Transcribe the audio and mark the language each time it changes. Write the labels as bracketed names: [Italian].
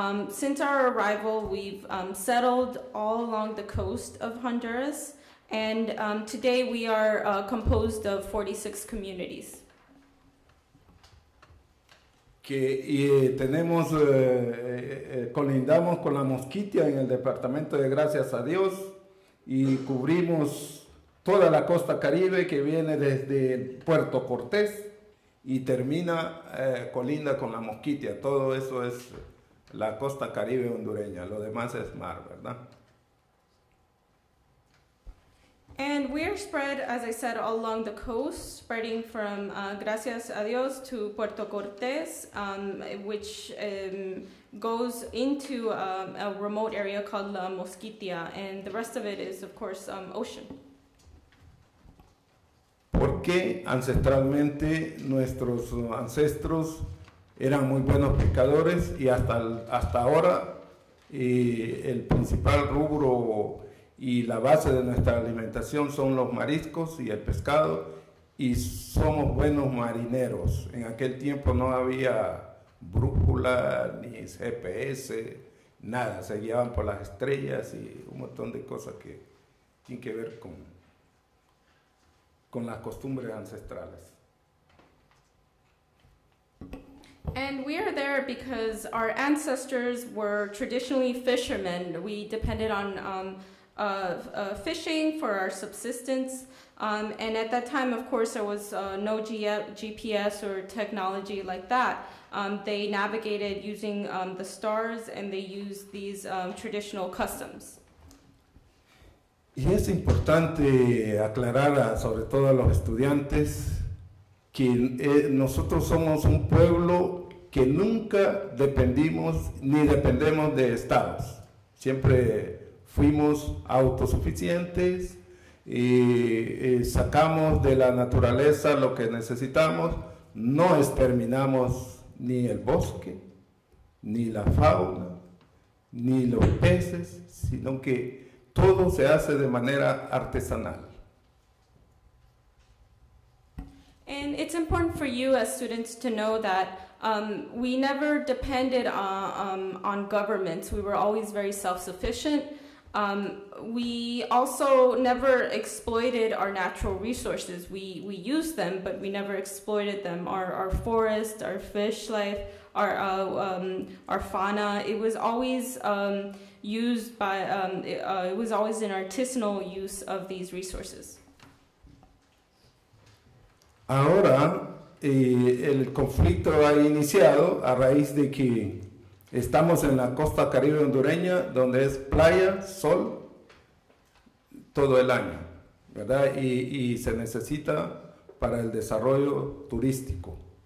[English] Since our arrival, we've settled all along the coast of Honduras. And today we are composed of 46 communities. [Spanish] Que tenemos, colindamos con la Mosquitia en el departamento de Gracias a Dios, y cubrimos toda la costa caribe que viene desde Puerto Cortés y termina, colinda con la Mosquitia. Todo eso es la costa caribe hondureña, lo demás es mar, ¿verdad? [English] And we're spread, as I said, all along the coast, spreading from Gracias a Dios to Puerto Cortes, which goes into a remote area called La Mosquitia, and the rest of it is, of course, ocean. [Spanish] ¿Por qué? porque ancestralmente nuestros ancestros eran muy buenos pescadores y hasta ahora el principal rubro y la base de nuestra alimentación son los mariscos y el pescado, y somos buenos marineros. En aquel tiempo no había brújula ni GPS, nada, se guiaban por las estrellas y un montón de cosas que tienen que ver con las costumbres ancestrales. [English] And we are there because our ancestors were traditionally fishermen. We depended on fishing for our subsistence. And at that time, of course, there was no GPS or technology like that. They navigated using the stars, and they used these traditional customs. [Spanish] Y es importante aclarar, sobre todo a los estudiantes, que nosotros somos un pueblo que nunca dependimos ni dependemos de estados. Siempre fuimos autosuficientes y sacamos de la naturaleza lo que necesitamos. No exterminamos ni el bosque, ni la fauna, ni los peces, sino que todo se hace de manera artesanal. [English] And it's important for you as students to know that we never depended on governments. We were always very self-sufficient. We also never exploited our natural resources. We used them, but we never exploited them. Our forest, our fish life, our fauna, it was always used by, it was always an artisanal use of these resources. [Spanish] Ahora, el conflicto ha iniciado a raíz de que estamos en la costa caribe hondureña, donde es playa, sol, todo el año, ¿verdad? Y se necesita para el desarrollo turístico.